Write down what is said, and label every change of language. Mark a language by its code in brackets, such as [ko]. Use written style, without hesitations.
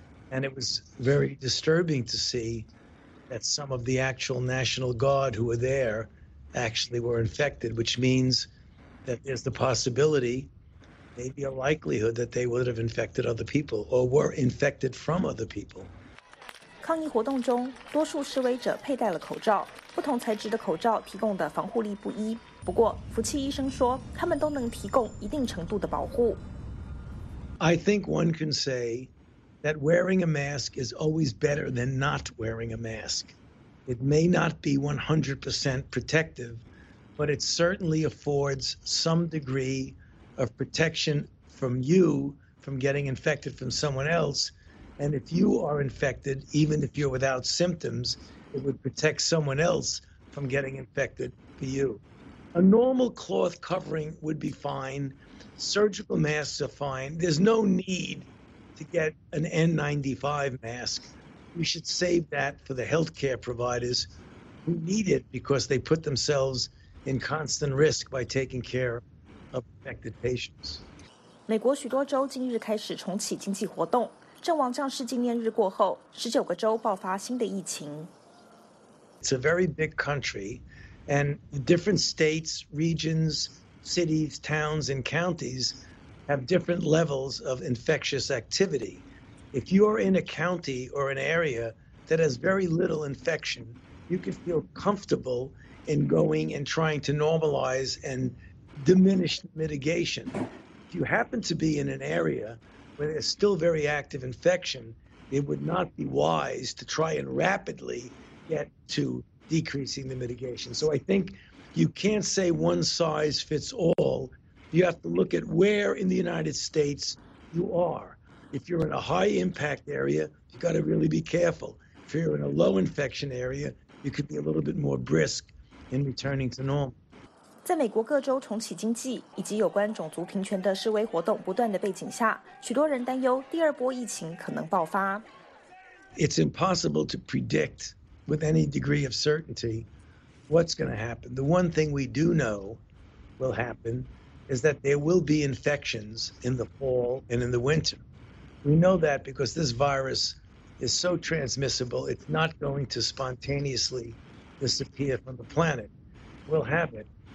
[en] And it was very disturbing to see that some of the actual National Guard who were there actually were infected, which means that there's the possibility, maybe a likelihood, that they would have infected other people or were infected from other people. [zh] 抗议活动中，多数示威者佩戴了口罩，不同材质的口罩提供的防护力不一。不过，福气医生说，他们都能提供一定程度的保护。 [en] I think one can say that wearing a mask is always better than not wearing a mask. It may not be 100% protective, but it certainly affords some degree of protection from you from getting infected from someone else. And if you are infected, even if you're without symptoms, it would protect someone else from getting infected for you. A normal cloth covering would be fine. Surgical masks are fine. There's no need to get an N95 mask. We should save that for the healthcare providers who need it because they put themselves in constant risk by taking care of affected patients. [zh] 美国许多州近日开始重启经济活动，正王将士纪念日过后，19个州爆发新的疫情。 [en] It's a very big country, and different states, regions, cities, towns, and counties have different levels of infectious activity. If you are in a county or an area that has very little infection, you can feel comfortable in going and trying to normalize and diminish mitigation. If you happen to be in an area where there's still very active infection, it would not be wise to try and rapidly get to decreasing the mitigation. So I think you can't say one size fits all. You have to look at where in the United States you are. If you're in a high impact area, you got to really be careful. If you're in a low infection area, you could be a little bit more brisk in returning to normal. [zh] 在美国各州重启经济以及有关种族平权的示威活动不断的背景下，许多人担忧第二波疫情可能爆发。 [en] It's impossible to predict with any degree of certainty what's going to happen. The one thing we do know will happen is that there will be infections in the fall and in the winter. We know that because this virus is so transmissible, it's not going to spontaneously disappear from the planet. We'll have it.